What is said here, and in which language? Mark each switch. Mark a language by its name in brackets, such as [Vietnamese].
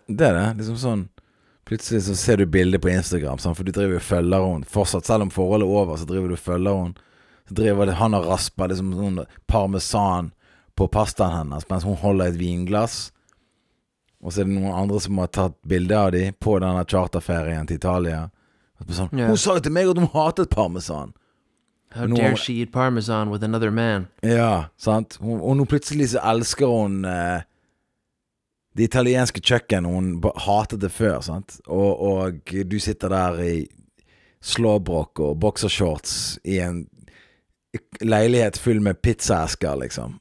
[Norwegian] Det det, liksom sånn. Plutselig så ser du bilder på Instagram sånn, for du driver jo følger hun fortsatt, selv om forholdet er over, så driver du følger hun. Så driver det, han og raspet liksom sånn parmesan på pastaen hennes mens hun holder et vinglass. Og så er det noen andre som har tatt bilder av dem på denne charterferien til Italia. Sånn, yeah. Hun sa jo til meg at hun hatet parmesan. [English] How nå, dare she eat parmesan with another man? [Norwegian] Ja, sant. Hun, og nå plutselig så elsker hun det italienske kjøkken. Hun hatet det før, sant. Og du sitter der i slåbrok og boxershorts i en leilighet full med pizzaesker liksom.